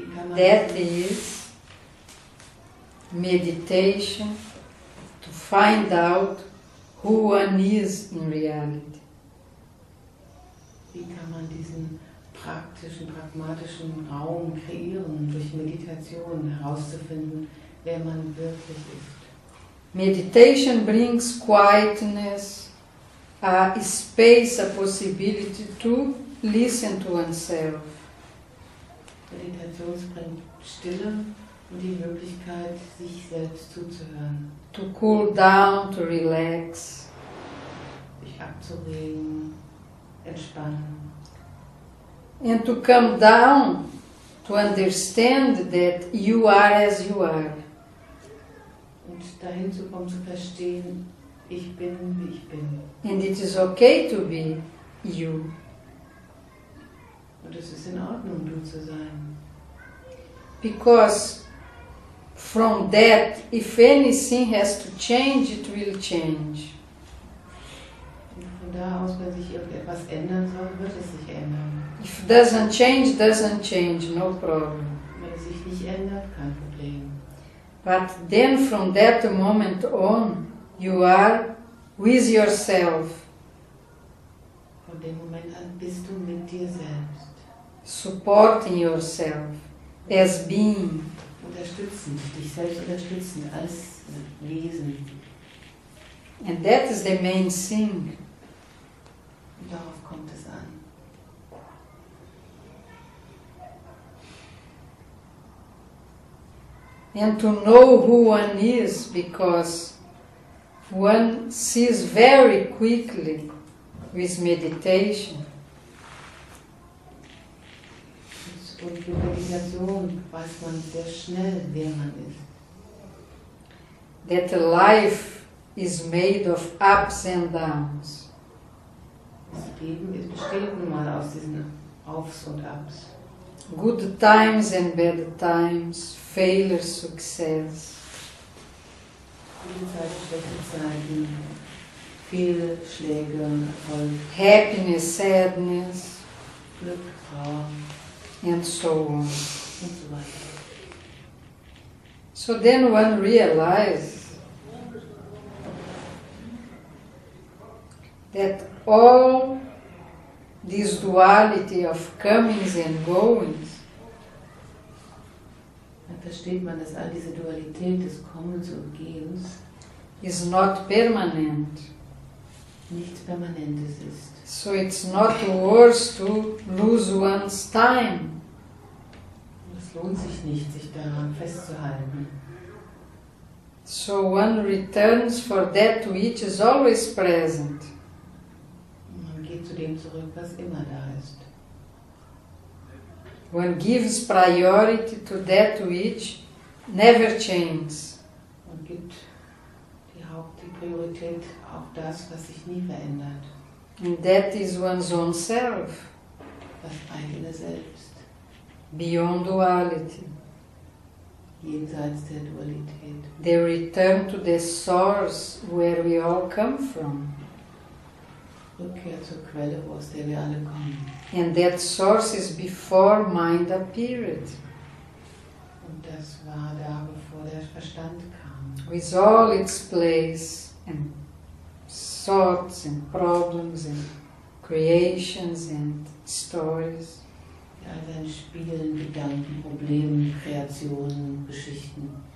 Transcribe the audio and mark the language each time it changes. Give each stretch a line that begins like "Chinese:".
English: That is meditation, to find out who one is in reality.
German: Wie kann man diesen praktischen, pragmatischen Raum kreieren, durch Meditation herauszufinden, wer man wirklich ist?
English: Meditation brings quietness, a space, a possibility to listen to oneself.
German: Meditation bringt Stille und die Möglichkeit, sich selbst zuzuhören.
English: To cool down, to relax.
German: Sich abzuregen, entspannen.
English: And to come down, to understand that you are as you are.
German: Und dahin zu kommen, zu verstehen, ich bin, wie ich bin.
English: And it is okay to be you.
German: Und es ist in Ordnung, du zu sein.
English: Because from that, if anything has to change, it will change.
German: Und von da aus, wenn sich irgendetwas ändern soll, wird es sich ändern.
English: If it doesn't change, no problem.
German: Wenn es sich nicht ändert, kein Problem.
English: But then from that moment on, you are with yourself.
German: Von dem Moment an bist du mit dir selbst.
English: Supporting yourself as being.
German: Unterstützend, dich selbst unterstützend als Wesen.
English: And that is the main thing.
German: Und darauf kommt es an.
English: And to know who one is, because one sees very quickly with meditation.
German: Und mit Meditation weiß man sehr schnell, wer man ist.
English: That life is made of ups and downs.
German: Das Leben besteht nun mal aus diesen Aufs und Ups.
English: Good times and bad times, failure, success.
German: Gute Zeiten, schlechte Zeiten, Fehlschläge, Erfolg.
English: Happiness, sadness,
German: Glück, Trauer.
English: And so on.
German: Und so weiter.
English: So then one realizes that all this duality of comings and goings
German: versteht man, dass all diese Dualität des Kommens und Gehens
English: is not permanent.
German: Nichts Permanentes ist.
English: So it's not worth to lose one's time.
German: Es lohnt sich nicht, sich daran festzuhalten.
English: So one returns for that which is always present.
German: Man geht zu dem zurück, was immer da ist.
English: One gives priority to that which never changes.
German: Man gibt die Hauptpriorität auf das, was sich nie verändert.
English: And that is one's own self.
German: Das eigene Selbst.
English: Beyond duality.
German: Jenseits der Dualität.
English: The return to the source where we all come from.
German: Rückkehr zur Quelle, aus der wir alle kommen.
English: And that source is before mind appeared.
German: Und das war da, bevor der Verstand kam.
English: With all its place and thoughts and problems and creations and stories.
German: All seinen Spielen, Gedanken, Problemen, Kreationen, Geschichten.